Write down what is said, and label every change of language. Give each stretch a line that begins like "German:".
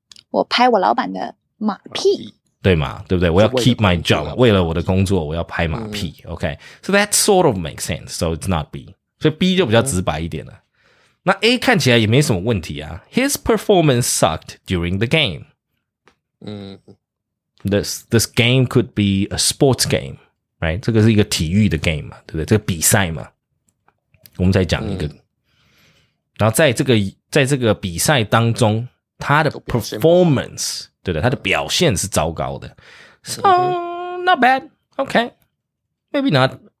Chinese: 我拍我老板的马屁。对嘛，对不对？我要
English: keep my job，
Chinese: 为了我的工作，我要拍马屁。Okay.
English: So that sort of makes sense. So it's not B.
Chinese: 所以 B 就比较直白一点了。那 A 看起来也没什么问题啊。
English: His performance sucked during the game. This game could be a sports game, right?
Chinese: 这个是一个体育的 game 嘛，对不对？这个比赛嘛，我们再讲一个。然后在这个比赛当中，他的 performance， 对的，他的表现是糟糕的。
English: So not bad, okay? Maybe not.